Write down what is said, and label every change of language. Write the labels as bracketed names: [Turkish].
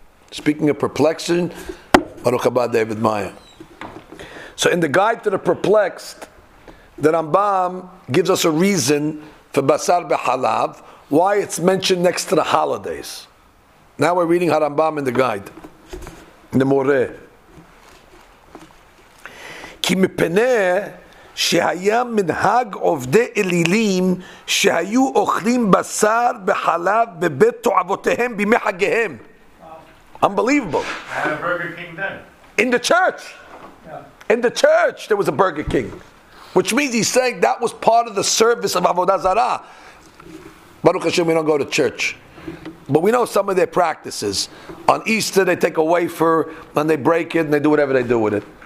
[English] Speaking of perplexion, [Hebrew] Baruch Haba [English] David Meyer. So in the guide to the perplexed, the Rambam gives us a reason for Basar B'Halav, why it's mentioned next to the holidays. Now we're reading Harambam in the guide, in the Moreh. [Hebrew] Ki mipeneh, שהיה מנהג עובדי אלילים שהיו אוכלים בשר בחלב בבית תועבותיהם בימי חגיהם. [English] Unbelievable. I had a Burger King then. In the church. Yeah. In the church there was a Burger King. Which means he's saying that was part of the service of Avodah Zarah. [Hebrew] Baruch Hashem, [English] we don't go to church. But we know some of their practices. On Easter they take a wafer and they break it and they do whatever they do with it.